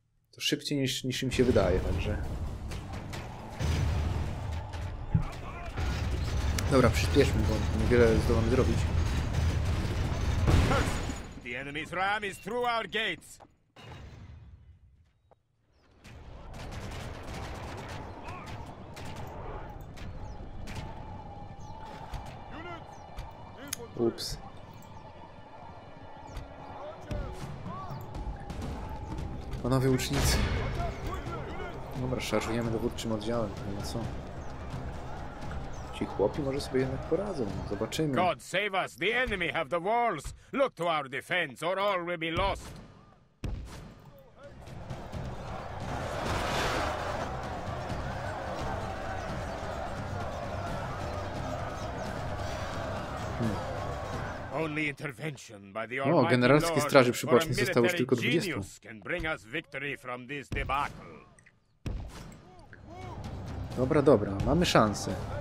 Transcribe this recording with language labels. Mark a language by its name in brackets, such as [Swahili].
[Polish] To szybciej niż im się wydaje, także... Dobra, przyspieszmy, bo niewiele zdołamy zrobić. [English] Enemy's ram is through our gates. Oops. [Polish] Panowie ucznicy. Dobra, szarżujemy dowódczym oddziałem, no co? Ci chłopi może sobie jednak poradzą. Zobaczymy. [English] God save us! The enemy have the walls! Look to our defense or all will be lost! Only intervention by the Almighty Lord. [Polish] No, generalskie straży przybocznej zostało już tylko 20. [English] Can bring us victory from this debacle. [Polish] Dobra, dobra, mamy szansę.